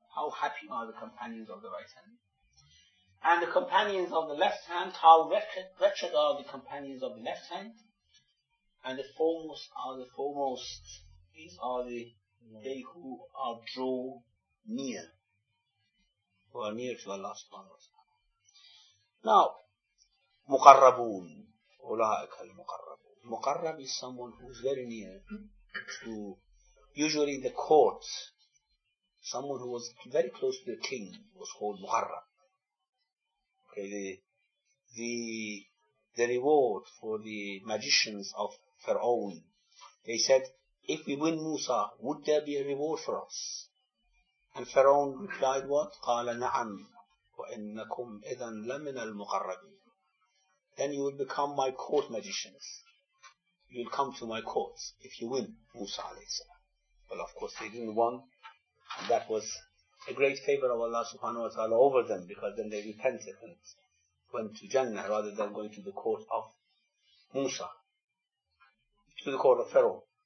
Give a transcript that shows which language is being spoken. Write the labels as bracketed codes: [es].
[en] How happy are the companions of the right hand? And the companions of the left hand, how wretched are the companions of the left hand? And the foremost are the foremost, these are the they who are draw near, who are near to Allah subhanahu wa ta'ala. Now, [ar] مقربون أولئك المقربون. [en] مقرب is someone who is very near to, usually the court, someone who was very close to the king was called مقرب. Okay, the reward for the magicians of Pharaoh, they said, if we win Musa, would there be a reward for us? And Pharaoh replied, what? [ar] قال نعم وإنكم إذن لمن المقربين. [en] Then you will become my court magicians. You will come to my courts if you win Musa alayhi salam. Well, of course, they didn't win. And that was a great favor of Allah subhanahu wa ta'ala over them, because then they repented and went to Jannah rather than going to the court of Musa, to the court of Pharaoh.